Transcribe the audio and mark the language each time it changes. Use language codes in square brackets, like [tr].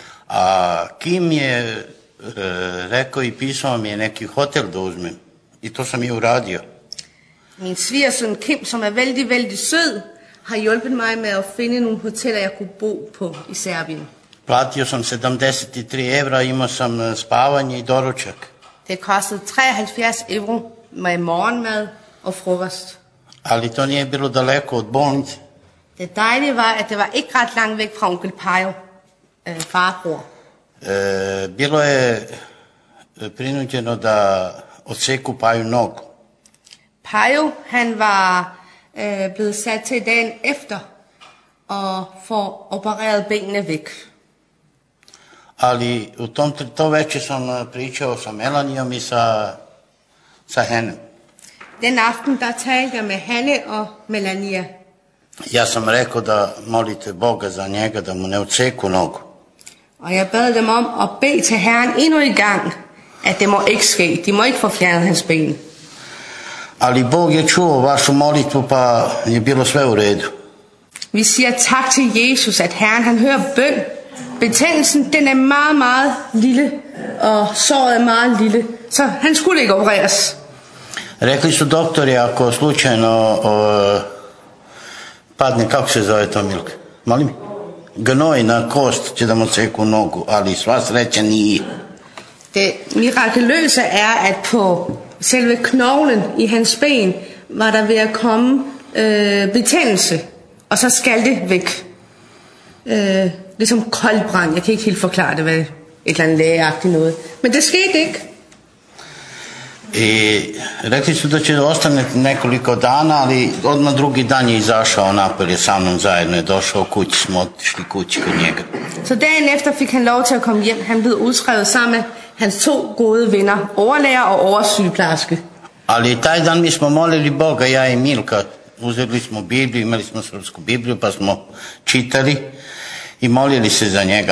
[sr] A Kim je rekao i pisao mi je neki hotel da uzmem. I to sam i uradio. [da] Min svigersøn Kim, som er veldig, veldig sød, har hjulpet mig med at finde nogle hoteller, jeg kunne bo på i Serbien. [sr] Platio sam 73 evra, imao sam spavanje i doručak. [da] Det kostede 73 euro med morgenmad og frokost. [sr] Ali to nije bilo daleko od bolnice. [da] Det dejlige var, at det var ikke ret langt væk fra onkel Pajo, farbror. [sr] Bilo je prinuđeno da odseku Paju nogu. [da] Pajo, han var blevet sat til dagen efter og få opereret benene væk. [sr] Ali u tom to večer sam pričao sa Melanijom i sa Hanne. [da] Den aften da talte jeg med Hanne og Melania. [sr] Ja sam rekao da molite Boga za njega da mu ne odseku nogu. [da] Og jeg bad dem om at bede til Herren endnu en gang, at det må ikke ske. De må ikke få fjernet hans ben. [sr] Ali Bog je čuo vašu molitvu, pa je bilo sve u redu. [da] Vi siger tak til Jesus, at Herren han hører bøn. Betændelsen, den er meget, meget lille, og såret er meget lille, så han skulle ikke opereres. [sr] Rekli su doktori, ako slučajno padne, kako se zove to, Milka? Molim? Gnoj na kost će da mu seku nogu, ali sva sreća nije. [da] Det mirakuløse er, at på selve knoglen i hans ben var der ved at komme betændelse, og så skal det væk. Ligesom koldbrand. Jeg kan ikke helt forklare det, hvad et eller andet lægeagtigt noget. Men det skete ikke. [sr] I rekli su da će ostane nekoliko dana, ali odmah drugi dan je izašao napolje sa mnom zajedno, je došao kući, smo otišli kući kod njega. [da] Så dagen efter fik han lov til at komme hjem. Han blev udskrevet sammen med hans to gode venner, overlæger og oversygeplejerske. [sr] Ali taj dan mi smo molili Boga, ja i Milka. Uzeli smo Bibliju, imali smo srpsku Bibliju, pa smo čitali i molili se za njega.